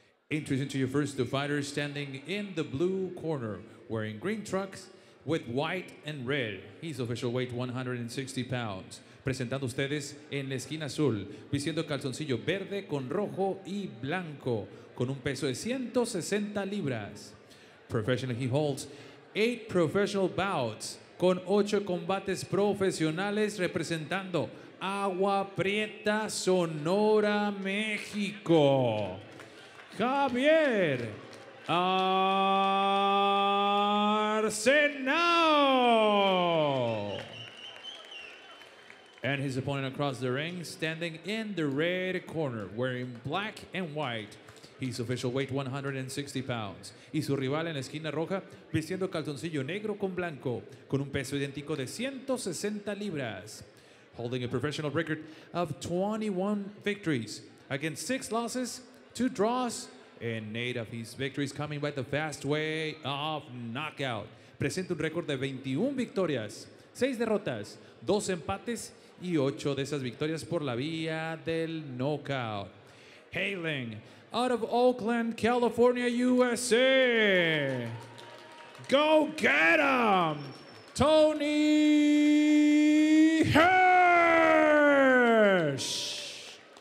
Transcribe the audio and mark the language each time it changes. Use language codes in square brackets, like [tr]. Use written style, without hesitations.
[en] Introducing to your first two fighters standing in the blue corner, wearing green trunks with white and red. His official weight, 160 pounds. [es] Presentando ustedes en la esquina azul, vistiendo calzoncillo verde con rojo y blanco, con un peso de 160 libras. [en] Professionally, he holds 8 professional bouts, [es] con 8 combates profesionales, representando Agua Prieta, Sonora, México. [en] Javier Arcenao. And his opponent across the ring, standing in the red corner, wearing black and white. His official weight, 160 pounds. [es] Y su rival en la esquina roja, vistiendo calzoncillo negro con blanco, con un peso idéntico de 160 libras. [en] Holding a professional record of 21 victories against 6 losses, 2 draws, and 8 of his victories coming by the fast way of knockout. [es] Presenta un récord de 21 victorias, 6 derrotas, 2 empates y 8 de esas victorias por la vía del knockout. [en] Hailing out of Oakland, California, USA. Go get him, Tony Hirsch.